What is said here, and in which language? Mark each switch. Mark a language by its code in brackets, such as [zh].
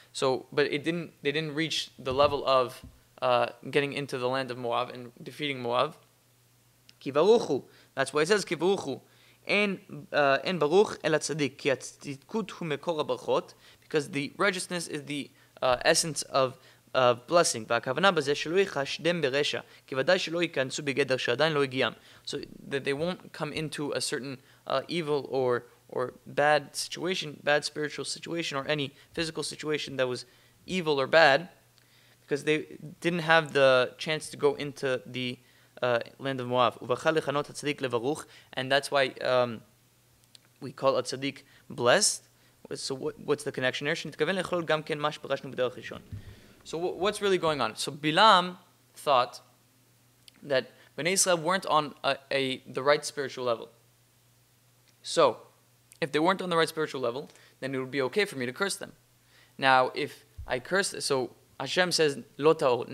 [en] So, but it didn't, they didn't reach the level of getting into the land of Moab and defeating Moab. [he] כי ברוך הוא. That's why it says, כי ברוך הוא. אין ברוך אלא צדיק, כי הצדיקות הוא מקור הברכות, [en] because the righteousness is the essence of blessing. [he] והכוונה בזה שלא יחשדם ברשע, כי ודאי שלא ייכנסו בגדר שעדיין לא הגיעם. [en] So that they won't come into a certain evil or bad situation, bad spiritual situation, or any physical situation that was evil or bad, because they didn't have the chance to go into the land of Moab. [he] ובחר לכנות הצדיק לברוך, [en] and that's why we call a tzaddik blessed. So what's the connection there? [he] שנתכוון לאכול גם כן מה שפרשנו בדרך ראשון. [en] So what's really going on? So Bilam thought that Bnei Yisrael weren't on the right spiritual level. So if they weren't on the right spiritual level, then it would be okay for me to curse them. Now, if I curse, so Hashem says, [he] "Lo ta'or."